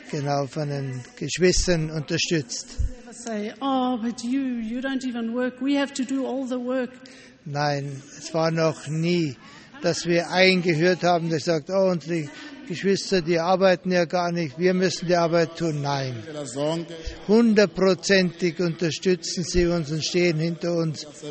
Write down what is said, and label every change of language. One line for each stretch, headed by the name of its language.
German: genau, von den Geschwistern unterstützt.
English: Say, oh, but you don't even work. We have to do all the work.
German: Nein, es war noch nie, dass wir eingehört haben, der sagt, oh, unsere Geschwister, die arbeiten ja gar nicht, wir müssen die Arbeit tun. Nein, hundertprozentig unterstützen sie uns und stehen hinter uns.